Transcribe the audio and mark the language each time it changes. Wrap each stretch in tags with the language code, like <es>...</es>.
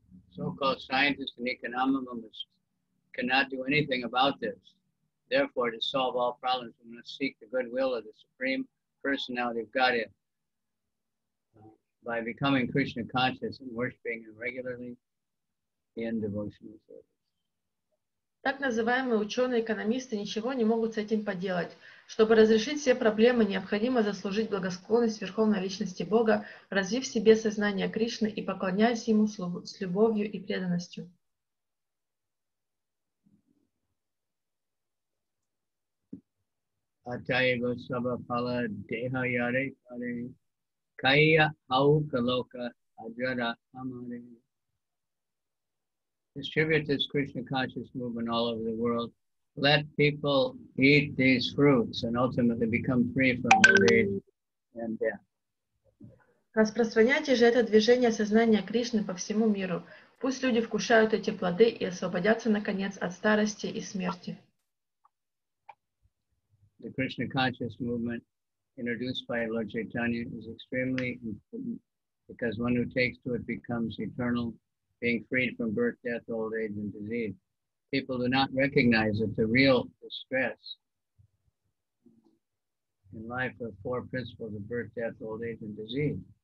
<en>so-called scientists and economists cannot do anything about this. Therefore, to solve all problems, we must seek the goodwill of the Supreme Personality of Godhead by becoming Krishna conscious and worshiping Him regularly in devotional service.</en> <ru>Так называемые ученые-экономисты ничего не могут с этим поделать. Чтобы разрешить все проблемы, необходимо заслужить благосклонность Верховной Личности Бога, развив в себе сознание Кришны и поклоняясь Ему с любовью и преданностью.</ru> <bn>Атаего сабапала деха яре паре кайя аука лока аджара амаре.</bn> <en>Distribute this Krishna conscious movement all over the world. Let people eat these fruits and ultimately become free from old age and death.</en> <ru>Распространяйте же это движение сознания Кришны по всему миру. Пусть люди вкушают эти плоды и освободятся наконец от старости и смерти.</ru> <en>The Krishna conscious movement introduced by Lord Chaitanya is extremely important because one who takes to it becomes eternal, being freed from birth, death, old age, and disease. People do not recognize that the real distress in life are four principles of birth, death, old age, and disease.</en>